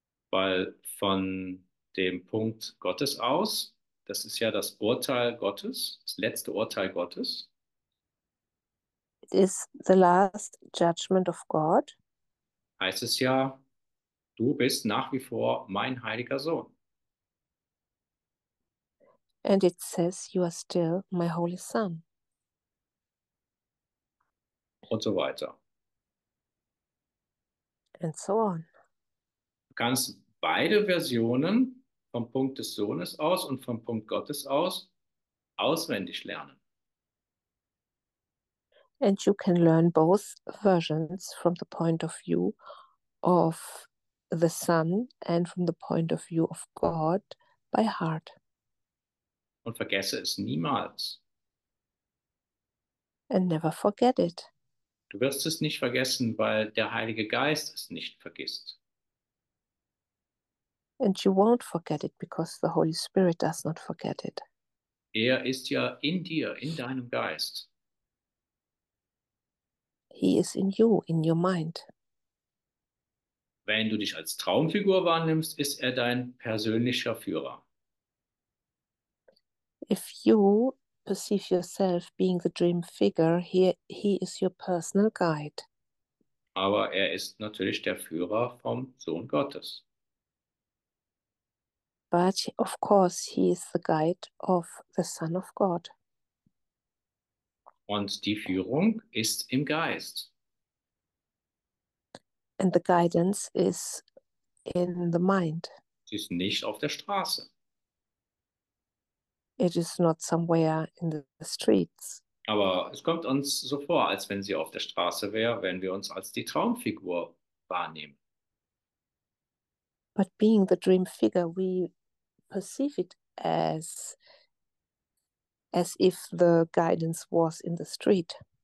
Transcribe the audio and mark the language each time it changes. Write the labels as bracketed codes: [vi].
[de] Weil von dem Punkt Gottes aus, das ist ja das Urteil Gottes, das letzte Urteil Gottes. [en] It is the last judgment of God. [de] Heißt es ja, du bist nach wie vor mein heiliger Sohn. [en] And it says you are still my holy son. [de] Und so weiter. [en] And so on. [de] Du kannst beide Versionen vom Punkt des Sohnes aus und vom Punkt Gottes aus auswendig lernen. [en] And you can learn both versions from the point of view of the Son and from the point of view of God by heart. [de] Und vergesse es niemals. [en] And never forget it. [de] Du wirst es nicht vergessen, weil der Heilige Geist es nicht vergisst. [en] And you won't forget it because the Holy Spirit does not forget it. [de] Er ist ja in dir, in deinem Geist. [en] He is in you, in your mind. [de] Wenn du dich als Traumfigur wahrnimmst, ist er dein persönlicher Führer. [en] If you perceive yourself being the dream figure, he is your personal guide. [de] Aber er ist natürlich der Führer vom Sohn Gottes. [en] But of course he is the guide of the Son of God. [de] Und die Führung ist im Geist. [en] And the guidance is in the mind. [de] Sie ist nicht auf der Straße. [en] It is not somewhere in the streets. [de] Aber es kommt uns so vor, als wenn sie auf der Straße wäre, wenn wir uns als die Traumfigur wahrnehmen. [en] But being the dream figure, we perceive it as if the guidance was in the street.